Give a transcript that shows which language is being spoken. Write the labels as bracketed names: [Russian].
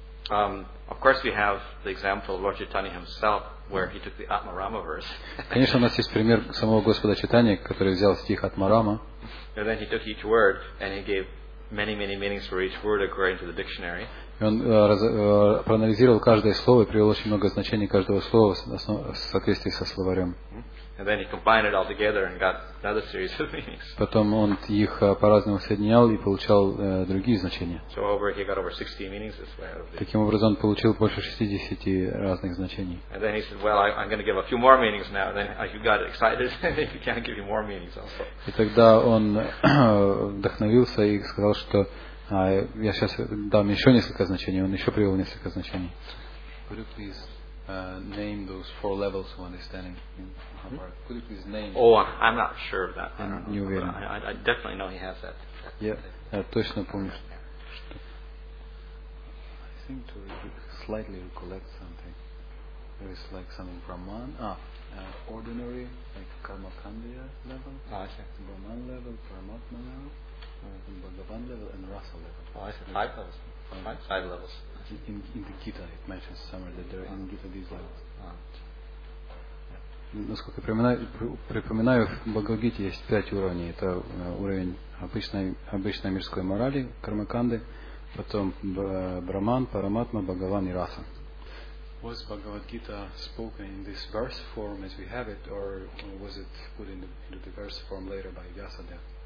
[English] Of course, we have the example of Lord Chaitanya himself. where he took the Atmarama verse. [Russian] Конечно, у нас есть пример самого Господа Читания, который взял стих Атмарама. [English] And then he took each word and he gave many, many meanings for each word according to the dictionary. [Russian] Он проанализировал каждое слово и привел очень много значений каждого слова в соответствии со словарем. [English] And then he combined it all together and got another series of meanings. [Russian] Потом он их по-разному соединял и получал другие значения. [English] So over he got over 60 meanings this way. [Russian] Таким образом он получил больше 60 разных значений. [English] And then he said, "Well, I'm going to give a few more meanings now." And then you got excited. He can't give you more meanings also. [Russian] И тогда он вдохновился и сказал, что я сейчас дам еще несколько значений. Он еще привел несколько значений. [English] Could you please name those four levels of understanding? Could you please name? Oh, I'm not sure of that. [Russian] Не уверен. [English] I definitely know he has that. [Russian] Yeah, я точно помню. Что... [English] I think to slightly recollect something. There is like some Brahman. Ordinary, like Karmakandiya level. See. Brahman level, Paramatma level. Bhagavan level and Rasa level. Oh, I said five levels. Five levels. In the Gita it mentions somewhere that there are in Gita these levels. [Russian] Насколько припоминаю, в Бхагавад-гите есть пять уровней. Это уровень обычной мирской морали, кармаканды, потом Брахман, Параматма, Бхагаван и Раса. [English] Was Bhagavad-gita spoken in this verse form as we have it, or was it put into the verse form later by Vyasadeva?